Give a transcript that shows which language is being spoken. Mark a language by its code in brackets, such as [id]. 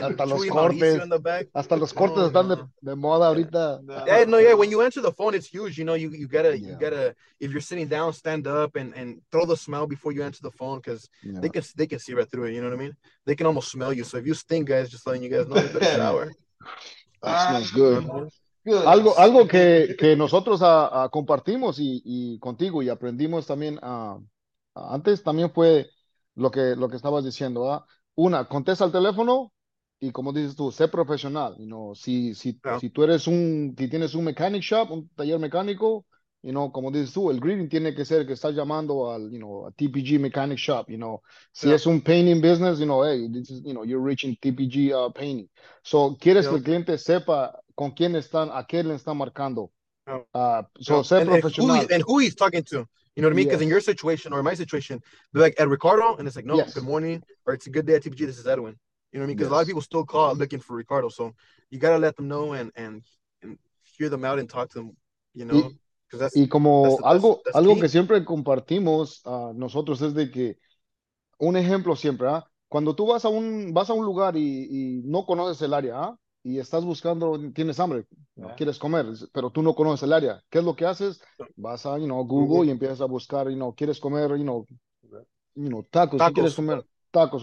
[es] hasta los cortes. Hasta los cortes están de moda ahorita. [en] When you answer the phone, it's huge. You know, you gotta. If you're sitting down, stand up and throw the smell before you answer the phone, because they can see right through it. You know what I mean? They can almost smell you. So if you stink, guys, just letting you guys know, you better shower. That smells good. Goodness. [es] Algo que nosotros compartimos y contigo y aprendimos también antes también fue lo que estabas diciendo. Una, contesta el teléfono y como dices tú, sé profesional. You know, si tú eres si tienes un mechanic shop, un taller mecánico, you know, como dices tú, el greeting tiene que ser que estás llamando al, you know, a TPG mechanic shop, you know. Si es un [en] painting business, you know, hey, this is, you know, you're reaching TPG painting. [es] So, quieres que el cliente sepa con quién están, a quién le están marcando. Ser profesional. [en] And who he's talking to, you know what I mean? Because in your situation or my situation, they're like, at Ricardo, and it's like, no, good morning, or it's a good day at TPG, this is Edwin. You know what I mean? Because a lot of people still call looking for Ricardo. So, you got to let them know and hear them out and talk to them, you know? [es] Y como algo que siempre compartimos nosotros es de que un ejemplo siempre, ¿eh? Cuando tú vas a un lugar y no conoces el área, ¿eh? Y estás buscando, tienes hambre, yeah, quieres comer, pero tú no conoces el área. ¿Qué es lo que haces? Vas a, you know, Google y empiezas a buscar, you know, quieres comer, you know, tacos. ¿Qué quieres comer? Tacos.